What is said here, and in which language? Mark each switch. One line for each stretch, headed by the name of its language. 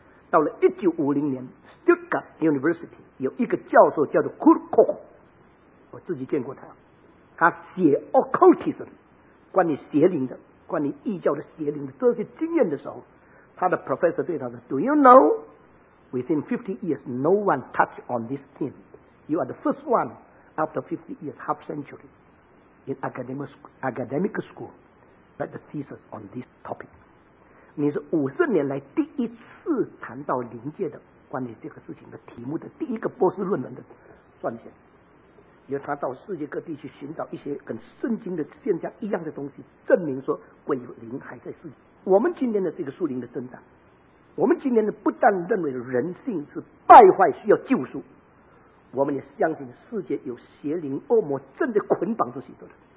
Chinese: 到了1950年 Stuttgart University 有一个教授叫做 Kurt Koch，我自己见过他，他写 occultism 关于邪灵的，关于异教的邪灵的这些经验的时候，他的 professor 对他说
English: Do you know within 50 years no one touched on this theme? You are the first one after 50 years, half century in academic school write the thesis on this topic.
Chinese: 你是50年来第一次谈到灵界的关于这个事情的题目的第一个博士论文的撰写，因为他到世界各地去寻找一些跟圣经的现象一样的东西，证明说鬼灵还在世界。我们今天的这个树灵的增长，我们今天的不但认为人性是败坏需要救赎，我们也相信世界有邪灵恶魔正在捆绑着许多人。